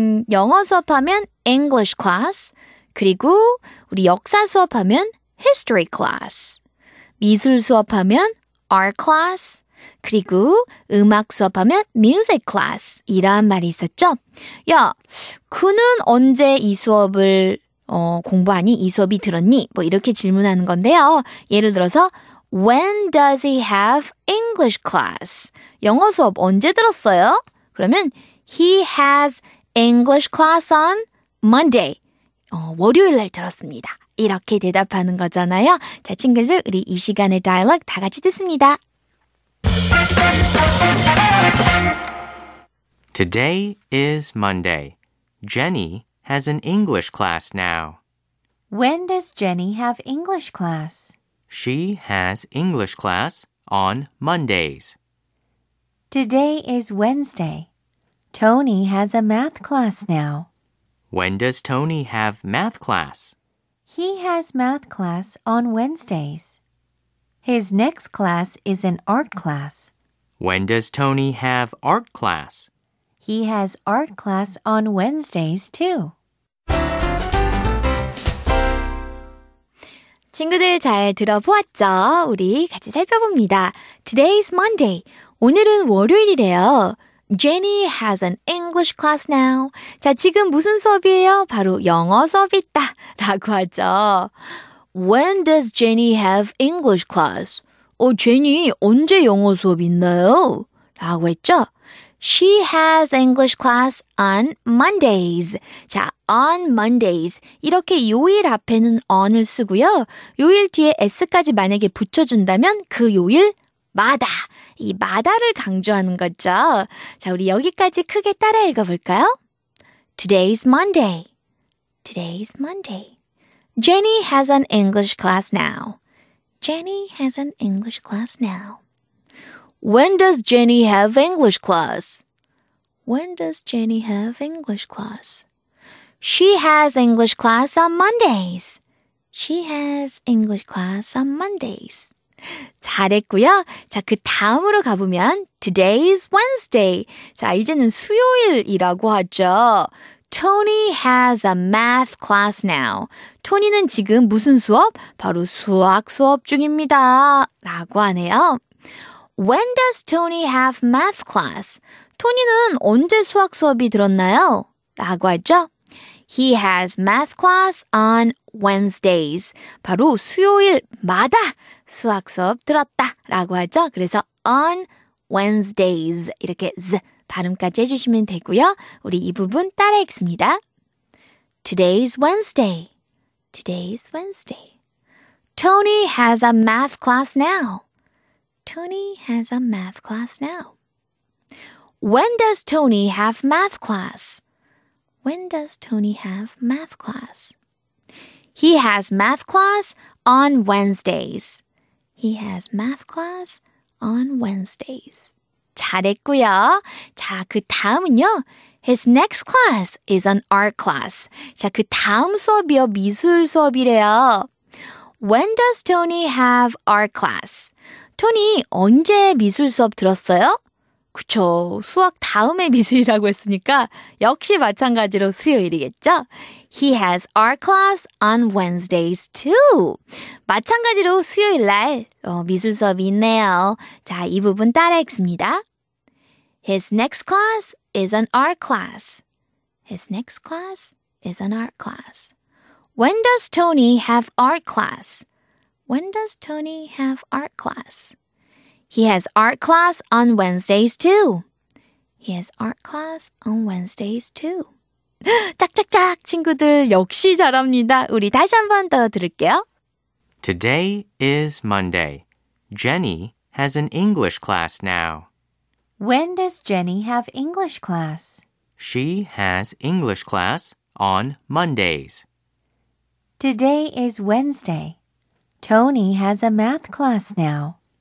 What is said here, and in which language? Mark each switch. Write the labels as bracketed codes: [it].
[ko] 영어 수업하면 English class, 그리고 우리 역사 수업하면 History class, 미술 수업하면 art class, 그리고 음악 수업하면 music class 이란 말이 있었죠. 야, 그는 언제 이 수업을 공부하니? 이 수업이 들었니? 뭐 이렇게 질문하는 건데요. 예를 들어서 [en] When does he have English class? [ko] 영어 수업 언제 들었어요? [en] 그러면 He has English class on Monday. [ko] 월요일 날 들었습니다. 이렇게 대답하는 거잖아요. 자, 친구들, 우리 이 시간의 dialogue 다 같이 듣습니다. [en] Today is Monday. Jenny has an English class now. When does Jenny have English class? She has English class on Mondays. Today is Wednesday. Tony has a math class now. When does Tony have math class? He has math class on Wednesdays. His next class is an art class. When does Tony have art class? He has art class on Wednesdays too. [ko] 친구들 잘 들어보았죠? 우리 같이 살펴봅니다. [en] Today's Monday. [ko] 오늘은 월요일이래요. [en] Jenny has an English class now. [ko] 자, 지금 무슨 수업이에요? 바로 영어 수업 있다 라고 하죠. [en] When does Jenny have English class? [ko] 제니 언제 영어 수업 있나요? 라고 했죠. [en] She has English class on Mondays. 자, on Mondays. [ko] 이렇게 요일 앞에는 on을 쓰고요. 요일 뒤에 s까지 만약에 붙여준다면 그 요일 마다. 이 마다를 강조하는 거죠. 자, 우리 여기까지 크게 따라 읽어볼까요? [en] Today's Monday. Today's Monday. Jenny has an English class now. Jenny has an English class now. When does Jenny have English class? When does Jenny have English class? She has English class on Mondays. She has English class on Mondays. [ko] 잘했고요. 자, 그 다음으로 가보면 [en] Today's Wednesday. [ko] 자, 이제는 수요일이라고 하죠. [en] Tony has a math class now. [ko] 토니는 지금 무슨 수업? 바로 수학 수업 중입니다. 라고 하네요. [en] When does Tony have math class? [ko] 토니는 언제 수학 수업이 들었나요? 라고 하죠. [en] He has math class on Wednesdays. [ko] 바로 수요일마다 수학 수업 들었다. 라고 하죠. [en] 그래서 on Wednesdays. [ko] 이렇게 z. 발음까지 해주시면 되고요. 우리 이 부분 따라 읽습니다. [en] Today's Wednesday. Today's Wednesday. Tony has a math class now. Tony has a math class now. When does Tony have math class? When does Tony have math class? He has math class on Wednesdays. He has math class on Wednesdays. [ko] 잘했고요. 자, 그 다음은요. [en] His next class is an art class. [ko] 자, 그 다음 수업이요. 미술 수업이래요. [en] When does Tony have art class? [ko] 토니 언제 미술 수업 들었어요? 그쵸. 수학 다음에 미술이라고 했으니까 역시 마찬가지로 수요일이겠죠. [en] He has art class on Wednesdays too. [ko] 마찬가지로 수요일 날 미술 수업이 있네요. 자, 이 부분 따라 읽습니다. [en] His next class is an art class. His next class is an art class. When does Tony have art class? When does Tony have art class? He has art class on Wednesdays too. He has art class on Wednesdays too. [ko] 짝짝짝 친구들 역시 잘합니다. 우리 다시 한 번 더 들을게요. [en] Today is Monday. Jenny has an English class now. When does Jenny have English class? She has English class on Mondays. Today is Wednesday. Tony has a math class now.